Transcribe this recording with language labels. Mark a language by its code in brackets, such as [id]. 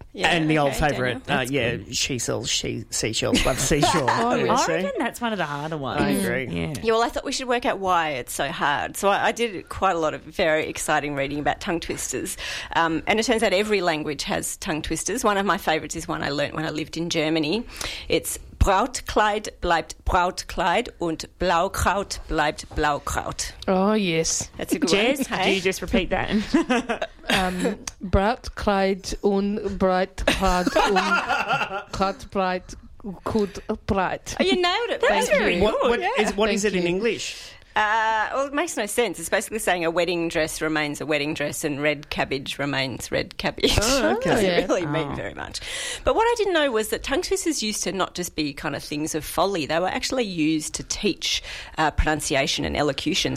[en] Yeah, and the old favourite, she sells seashells, but seashore. I reckon that's one of the harder ones. I agree. Yeah, well, I thought we should work out why it's so hard. So I did quite a lot of very exciting reading about tongue twisters. And it turns out every language has tongue twisters. One of my favourites is one I learnt when I lived in Germany. It's [de] Brautkleid bleibt Brautkleid und Blaukraut bleibt Blaukraut. [en] Oh, yes. That's a good one. Jess, hey? Do you just repeat that? [de] Brautkleid und Brautkleid und Krautbleit gut breit. [en] Oh, you nailed it. That's very good. What is it in English? Well, it makes no sense. It's basically saying a wedding dress remains a wedding dress and red cabbage remains red cabbage. Oh, okay. It doesn't really mean very much. But what I didn't know was that tongue twisters used to not just be kind of things of folly. They were actually used to teach pronunciation and elocution.